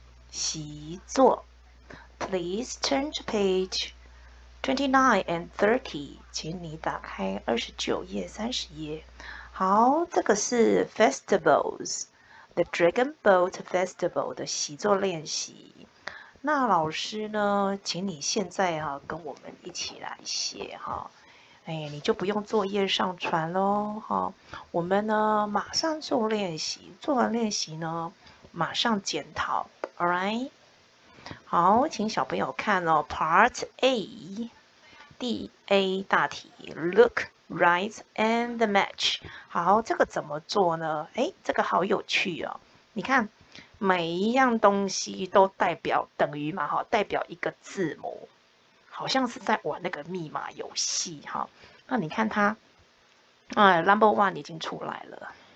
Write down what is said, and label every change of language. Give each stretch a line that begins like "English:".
English: 习作。 Please turn to page 29 and 30.
Chinese: 请你打开29页30页。好，这个是 festivals, the Dragon Boat Festival 的习作练习。那老师呢，请你现在啊跟我们一起来写哈。哎，你就不用作业上传咯，哈，我们呢马上做练习，做完练习呢马上检讨 ， alright？好，请小朋友看哦 ， Part A，第 A 大题 ， Look, write, and match。好，这个怎么做呢？哎，这个好有趣哦，你看每一样东西都代表等于嘛，哈，代表一个字母。好像是在玩那个密码游戏哈，那你看它，哎 ， Number One 已经出来了。